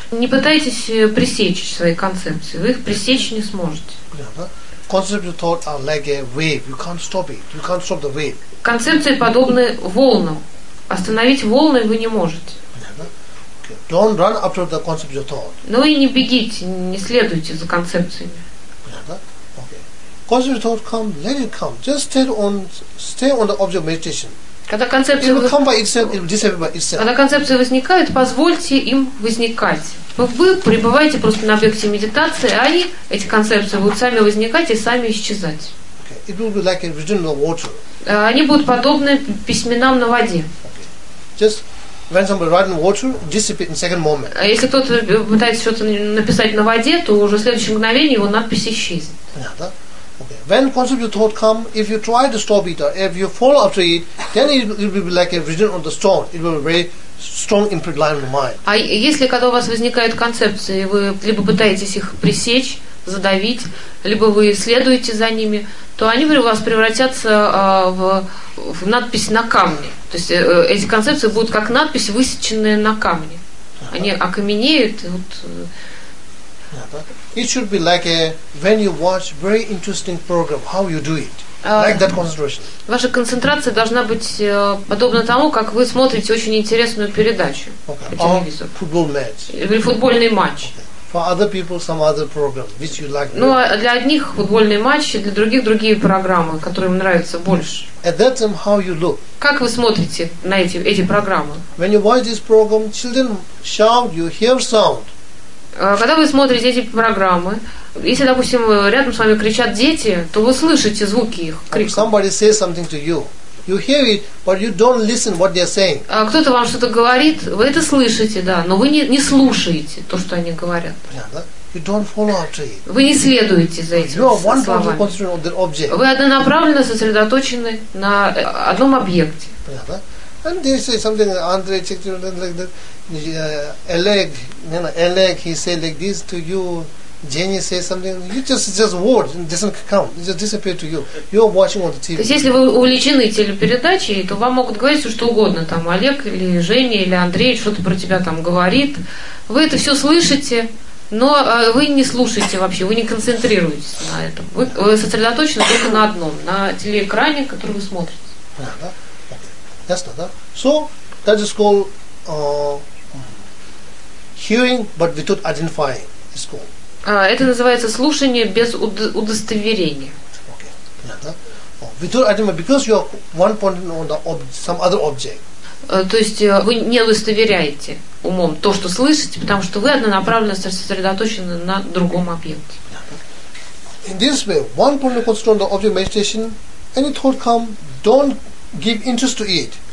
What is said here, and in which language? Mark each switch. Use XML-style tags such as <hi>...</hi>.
<ru>Не пытайтесь пресечь свои концепции. Вы их пресечь не сможете.</ru> <en>Concepts of thought are like a wave. You can't stop it. You can't stop the wave.</en> <ru>Концепции подобны волнам. Остановить волны вы не можете.</ru> <en>Okay. Don't run after the concept of thought.</en> <ru>Ну и не бегите, не следуйте за концепциями.</ru> <en>Concept of thought come, let it come. Just stay on the object meditation.</en> <ru>Когда концепция,</ru> <en>come by itself, it will disappear by itself.</en> <ru>Когда концепция возникает, позвольте им возникать. Вы пребываете просто на объекте медитации, а они, эти концепции, будут сами возникать и сами исчезать.</ru> <en>Okay. It will be like a written on water.</en> <ru>Они будут подобны письменам на воде.</ru> <en>Just when somebody writes in water, disappear in second moment.</en> <ru>А если кто-то пытается что-то написать на воде, то уже в следующее мгновение его надпись исчезнет. Понятно? Okay.</ru> <en>When concept of thought come, if you try to stop it or if you follow after it, then it will be like a vision on the stone. It will be very strong imprint line on the mind.</en> <ru>А если когда у вас возникают концепции, вы либо пытаетесь их пресечь, задавить, либо вы следуете за ними, то они у вас превратятся в надпись на камне. То есть эти концепции будут как надпись, высеченные на камне. Они окаменеют, и вот</ru> <en>It should be like a when you watch very interesting program, how you do it. Like that concentration.</en> <ru>Ваша концентрация должна быть подобна тому, как вы смотрите очень интересную передачу по телевизору.</ru> <en>Football match.</en> <ru>Или футбольный матч.</ru> <en>For other people, some other program which you like.</en> <ru>Ну, для одних футбольный матч, для других другие программы, которые им нравятся больше.</ru> <en>At that time, how you look?</en> <ru>Как вы смотрите на эти программы?</ru> <en>When you watch this program, children shout, you hear sound.</en> <ru>Когда вы смотрите эти программы, если, допустим, рядом с вами кричат дети, то вы слышите звуки их крика.</ru> <en>Somebody says something to you. You hear it, but you don't listen what they're saying.</en> <ru>Кто-то вам что-то говорит, вы это слышите, да, но вы не слушаете то, что они говорят.</ru> <en>You don't follow after it.</en> <ru>Вы не следуете за этим.</ru> <en>You are one totally concentrated on the object.</en> <ru>Вы однонаправленно сосредоточены на одном объекте.</ru> <en>And they say something like Andre Chekhov like that. Oleg, you know, Oleg, he said like this to you. Jenny says something. You just watch. It doesn't count. It just disappears to you. You are watching on the TV.</en> <ru>То есть, если вы увлечены телепередачей, то вам могут говорить все, что угодно. Там Олег или Женя или Андрей что-то про тебя там говорит. Вы это все слышите, но вы не слушаете вообще. Вы не концентрируетесь на этом. Вы сосредоточены только на одном, на телеэкране, который вы смотрите. Ясно, да?</ru> <en>So that is called hearing, but without identifying. It's called.</en> <ru>Это называется слушание без удостоверения.</ru> <en>Without identifying, because you are one point on the some other object.</en> <ru>То есть вы не удостоверяете умом то, что слышите, потому что вы однонаправленно сосредоточены на другом объекте.</ru> <en>In this way, one point of concentration on the object meditation, any thought come, don't give interest to it.</en>